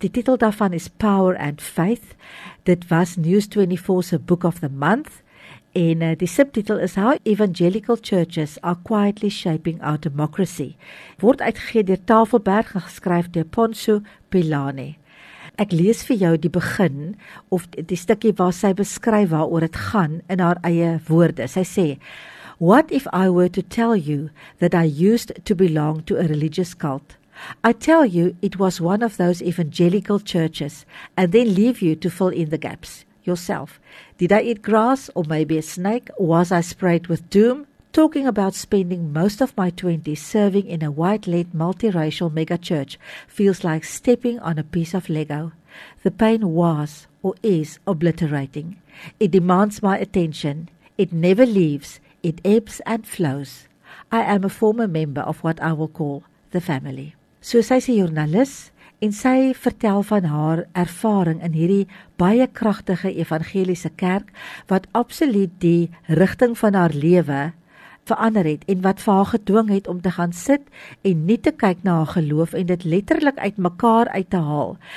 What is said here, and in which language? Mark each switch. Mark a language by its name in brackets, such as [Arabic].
[Afrikaans] Die titel daarvan is Power and Faith. Dit was News24 se Book of the Month en die subtitel is How Evangelical Churches are Quietly Shaping Our Democracy. Word uitgegee deur Tafelberg en geskryf deur Ponso Pilane. Ek lees vir jou die begin of die stukkie waar sy beskryf waaroor dit gaan in haar eie woorde. Sy sê, [English] "What if I were to tell you that I used to belong to a religious cult? I tell you it was one of those evangelical churches and then leave you to fill in the gaps yourself. Did I eat grass or maybe a snake? Was I sprayed with doom? Talking about spending most of my 20s serving in a white-led multiracial megachurch feels like stepping on a piece of Lego. The pain was or is obliterating. It demands my attention. It never leaves. It ebbs and flows. I am a former member of what I will call the family." [Afrikaans] So sy is 'n joernalis en sy vertel van haar ervaring in hierdie baie kragtige evangeliese kerk wat absoluut die rigting van haar lewe verander het en wat vir haar gedwing het om te gaan sit en nie te kyk na haar geloof en dit letterlik uit mekaar uit te haal.